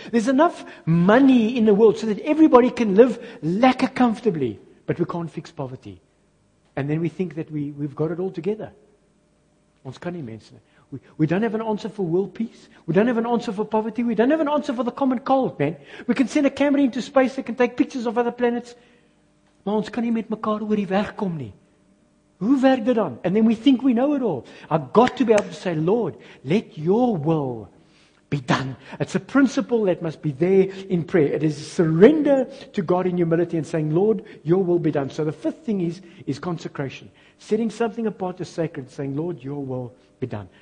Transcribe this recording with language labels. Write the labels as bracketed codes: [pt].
[en] There's enough money in the world so that everybody can live lekker comfortably, but we can't fix poverty. And then we think that we've got it all together. [af] Ons kan nie mense nie. [en] We don't have an answer for world peace. We don't have an answer for poverty. We don't have an answer for the common cold, man. We can send a camera into space that can take pictures of other planets. [af] Maar ons kan nie met mekaar oor die weg kom nie. Hoe werk dit dan? [en] And then we think we know it all. I've got to be able to say, Lord, let your will be done. It's a principle that must be there in prayer. It is surrender to God in humility and saying, Lord, your will be done. So the fifth thing is consecration. Setting something apart as sacred, saying, Lord, your will be done.